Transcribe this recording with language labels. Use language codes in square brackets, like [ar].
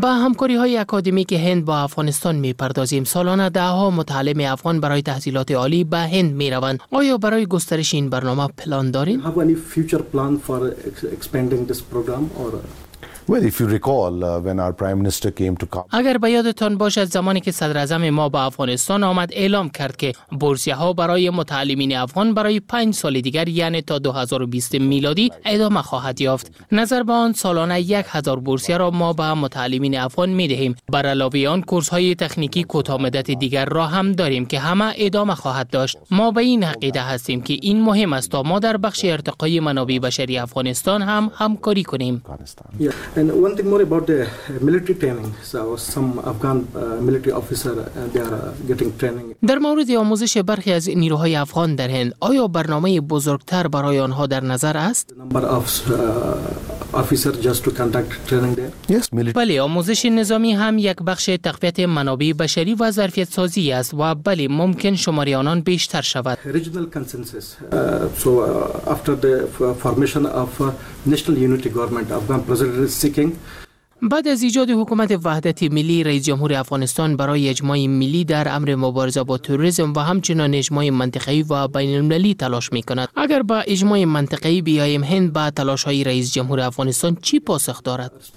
[fa] با همکاری های اکادمیک هند با افغانستان می پردازیم. سالانه ده ها متعلم افغان برای تحصیلات عالی به هند می روند. آیا برای گسترش این برنامه پلان دارید؟ [en] Have any future plan for expanding this program or? Well, if you recall, when our prime minister came to Kabul. [fa] اگر به یادتان باشد زمانی که صدر اعظم ما به افغانستان آمد اعلام کرد که بورسیه ها برای متعلمین افغان برای 5 سال دیگر یعنی تا 2020 میلادی ادامه خواهد یافت. نظر به آن سالانه 1000 بورسیه را ما به متعلمین افغان می‌دهیم. بر علاوه آن کورس های تکنیکی کوتاه‌مدت دیگر را هم داریم که همه ادامه خواهد داشت. ما به این عقیده هستیم که این مهم است تا ما در بخش ارتقای منابع بشری افغانستان هم همکاری کنیم. [en] And one thing more about the military training. So some Afghan military officer they are getting training. [fa] در مورد آموزش برخی از نیروهای افغان در هند آیا برنامه بزرگتر برای آنها در نظر است؟ [en] Number of officer just to conduct training there. Yes, military. [fa] بله آموزش نظامی هم یک بخش تقویت منابع بشری و ظرفیت سازی است و بله ممکن شماری آنان بیشتر شود. [en] Regional consensus. So after the formation of national unity government Afghan president [fa] بعد از ایجاد حکومت وحدت ملی رئیس جمهور افغانستان برای اجماع ملی در امر مبارزه با تروریسم و همچنان اجماع منطقه‌ای و بین‌المللی تلاش می‌کند. اگر با اجماع منطقه‌ای بیاییم هند با تلاش‌های رئیس جمهور افغانستان چی پاسخ دارد؟